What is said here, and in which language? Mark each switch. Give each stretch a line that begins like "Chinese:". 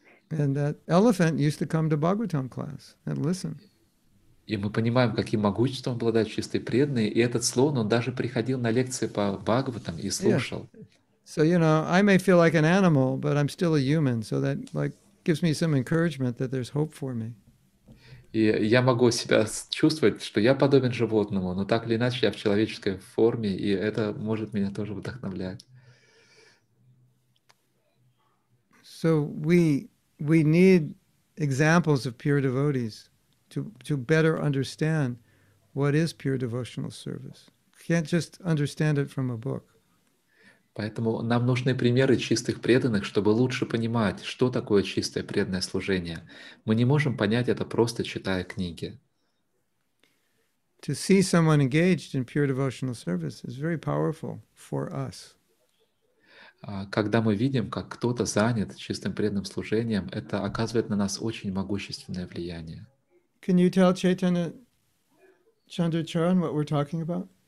English: And that elephant used to come to Bhagavatam class and listen.
Russian: И мы понимаем, каким могуществом обладают чистые преданные, и этот слон, он даже приходил на лекции по Бхагаватам и слушал.
English: So, you know, I may feel like an animal, but I'm still a human, so that like gives me some encouragement that there's hope for me.
Russian: И я могу себя чувствовать, что я подобен животному, но так или иначе я в человеческой форме, и это может меня тоже вдохновлять.
English: So we need examples of pure devotees to better understand what is pure devotional service. Can't just understand it from a book.
Russian: Поэтому нам нужны примеры чистых преданных, чтобы лучше понимать, что такое чистое преданное служение. Мы не можем понять это просто читая книги.
English: To see someone engaged in pure devotional service is very powerful for us.
Russian: Когда мы видим, как кто-то занят чистым преданным служением, это оказывает на нас очень могущественное влияние.
English: Can you tell Chaitanya Chandracharan what we're talking about?